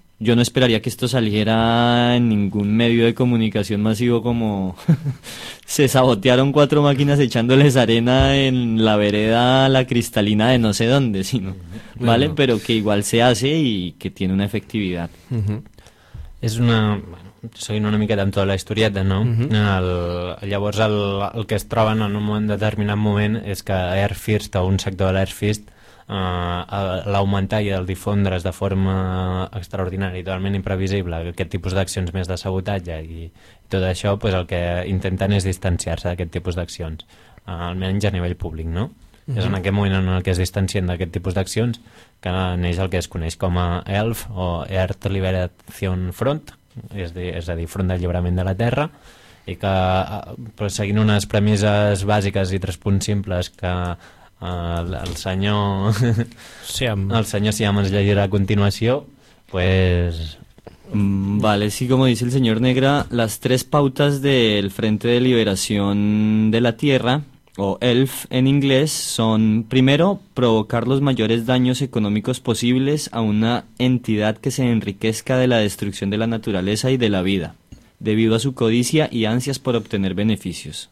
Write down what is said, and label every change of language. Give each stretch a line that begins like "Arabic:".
Spanish: Yo no esperaría que esto saliera en ningún medio de comunicación masivo como se sabotearon cuatro máquinas echándoles arena en la vereda la cristalina de no sé dónde, sino, ¿vale? Bueno. Pero que igual se hace y que tiene una efectividad. Es una...
Catalan: Bueno, seguint una miqueta amb tota la historieta, no? Llavors el que es troben en un moment determinat moment és que Air First o un sector de l'Air First l'augmentar i el difondre's de forma extraordinària i totalment imprevisible aquest tipus d'accions més de sabotatge i tot això, pues, el que intenten és distanciar-se d'aquest tipus d'accions, almenys a nivell públic, no? És en aquest moment en què es distancien d'aquest tipus d'accions que neix el que es coneix com a ELF o Earth Liberation Front, és a dir, Front d'Alliberament de la Terra, i que seguint unes premisses bàsiques i tres punts simples que el senyor Siam ens llegirà a continuació, pues...
Spanish: Vale, sí, como dice el señor Negra, las tres pautas del Frente de Liberación de la Tierra, o ELF en inglés, son, primero, provocar los mayores daños económicos posibles a una entidad que se enriquezca de la destrucción de la naturaleza y de la vida debido a su codicia y ansias por obtener beneficios.